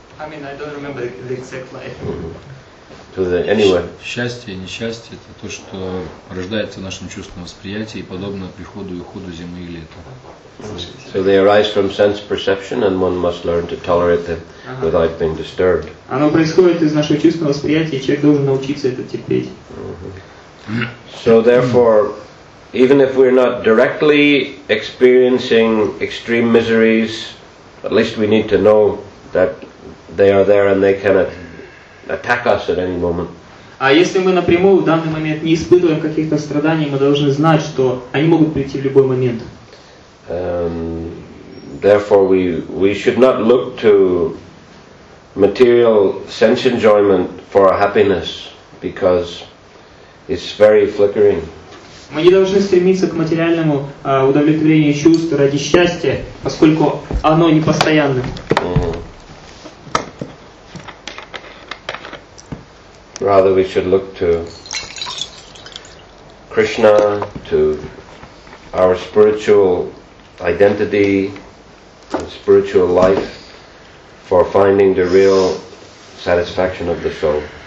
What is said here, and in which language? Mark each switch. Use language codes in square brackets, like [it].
[en] I mean, I don't remember the exact line. So that, anyway. [ru] Счастье и несчастье — это то, что рождается в нашем чувственном восприятии, подобно приходу и уходу зимы и лета. [en] So they arise from sense perception, and one must learn to tolerate them without being disturbed. [ru] Оно происходит из нашего чувственного восприятия, и человек должен научиться это терпеть. [en] So therefore, even if we're not directly experiencing extreme miseries, at least we need to know that they are there and they can attack us at any moment. [ru] А если мы напрямую в данный момент не испытываем каких-то страданий, мы должны знать, что они могут прийти в любой момент. [en] Therefore, we should not look to material sense enjoyment for our happiness, because it's very flickering. [ru] Мы не должны стремиться к материальному удовлетворению чувств ради счастья, поскольку оно непостоянно. [en] Rather we should look to Krishna, to our spiritual identity and spiritual life for finding the real satisfaction of the soul.